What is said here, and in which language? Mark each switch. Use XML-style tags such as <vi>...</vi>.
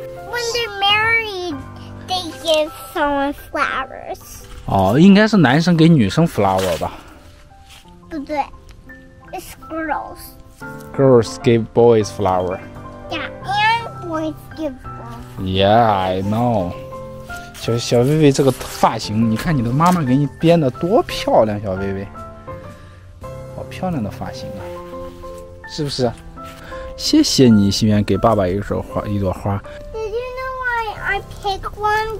<en>When they're married, they give someone flowers.</en> <zh>哦，应该是男生给女生 flower 吧。</zh> <en>It's girls. Girls give boys flower. Yeah, and boys give flowers. Yeah, I know.</en> <zh>小薇薇这个发型，你看你的妈妈给你编的多漂亮，小薇薇，好漂亮的发型啊，是不是？谢谢你，心愿给爸爸一朵花。</zh> <en>Did you know why I pick one?</en>